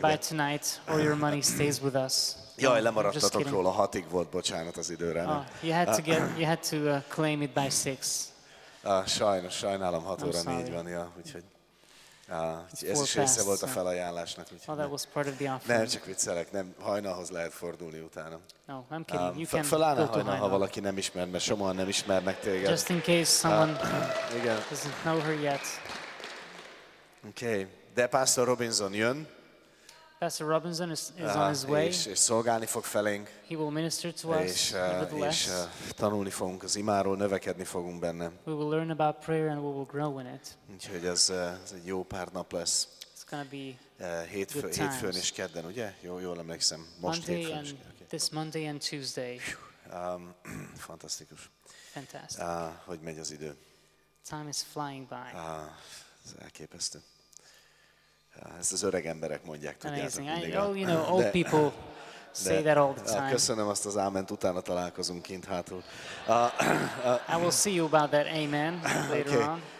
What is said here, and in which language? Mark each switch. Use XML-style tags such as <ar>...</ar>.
<en>By tonight, all your money stays with us.</en> <hu>Jaj, lemaradtatok róla, hatig volt, bocsánat az időre.</hu> <en>You had to claim it by six.</en> <hu>Sajnos, sajnálom, 6 óra 4 van, ja, úgyhogy. Ez is része volt a felajánlásnak. Nem, csak viccelek, nem, hajnalhoz lehet fordulni utána.</hu> <en>No, I'm kidding. You can</en> <hu>fölállna hajnal, ha valaki nem ismer, mert somóan nem ismernek téged.</hu> <en>Just in case someone doesn't know her yet.</en> <hu>Okay. De Pastor Robinson jön.</hu> <en>Pastor Robinson is on his way.</en> <hu>És szolgálni fog felénk.</hu> <en>He will minister to us.</en> <hu>És tanulni fogunk az imáról, növekedni fogunk benne.</hu> <en>We will learn about prayer and we will grow in it.</en> <hu>Úgyhogy ez egy jó pár nap lesz.</hu> <en>It's gonna be</en> <hu>hétfőn és kedden, ugye? Jól emlékszem. Most</hu> <en>Monday</en> <hu>hétfőn</hu> <en>and this Monday and Tuesday.</en> <hu>Fantasztikus.</hu> <en>Fantastic.</en> <hu>Hogy megy az idő?</hu> <en>Time is flying by.</en> <hu>Ez elképesztő. Ezt az öreg emberek mondják, tudjátok mindig.</hu> <en>You know, old people say that all the time.</en> <hu>Köszönöm azt az áment, utána találkozunk kint hátul.</hu> <en>I will see you about that amen later</en>